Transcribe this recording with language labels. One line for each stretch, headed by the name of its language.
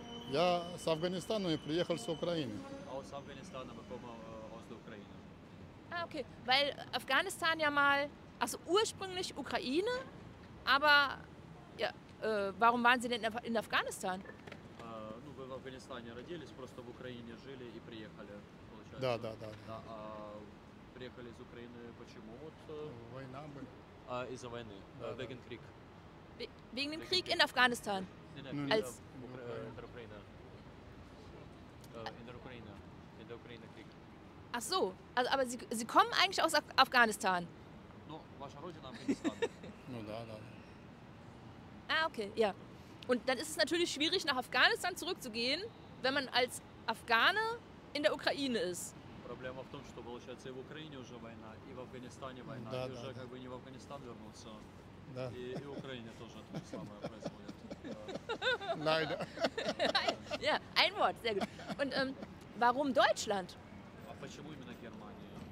Russian: Я с Афганистана и приехал с Украины.
German: Aus Afghanistan, aber komme aus der Ukraine. Ah, okay. Weil Afghanistan ja mal, also ursprünglich Ukraine, aber ja, warum waren Sie denn in Afghanistan?
Russian: Ну, вы в Афганистане родились, просто в Украине жили и приехали. Да, да, да, да. Да, а приехали из Украины почему? Вот, война была. А, из-за войны, да,
German: wegen
Russian: да.
German: Krieg. Wegen dem Krieg in Afghanistan? Nein, nein, in der Ukraine. In der Ukraine. In der Ukraine-Krieg. Ach so, also, aber Sie kommen eigentlich aus Afghanistan?
Russian: No, ваша родина Афганистан. Ну, да, да.
German: Ah, okay, ja. Und dann ist es natürlich schwierig, nach Afghanistan zurückzugehen, wenn man als Afghane in der Ukraine ist.
Russian: Проблема в том, что получается и в Украине уже война, и в Афганистане война, да, и да, уже да. Как бы не в Афганистан вернуться. Да. И в Украине тоже то же самое происходит.
German: Leider. Ja, ein Wort, sehr gut. Und warum Deutschland?
Russian: А почему именно Германия?